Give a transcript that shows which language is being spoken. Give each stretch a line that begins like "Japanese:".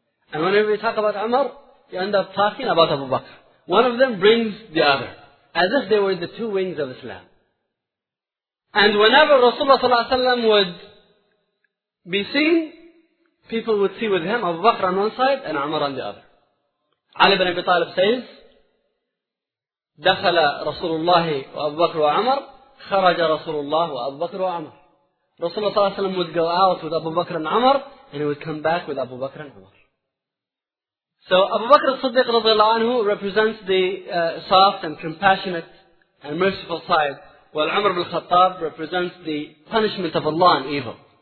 English: And whenever you talk about Umar, you end up talking about Abu Bakr. One of them brings the other, as if they were the two wings of Islam. And whenever Rasulullah ﷺ would be seen, people would see with him Abu Bakr on one side and Umar on the other. Ali ibn Abi Talib says,
Arabic: دخل رسول الله وأبو بكر وعمر خرج رسول الله وأبو بكر وعمر. رسول الله صلى الله عليه وسلم
English: would go out with Abu Bakr and Umar and he would come back with Abu Bakr and Umar. So Abu Bakr as-Siddiq radiallahu anhu represents the soft and compassionate and merciful side, while Umar ibn al-Khattab represents the punishment of Allah and evil.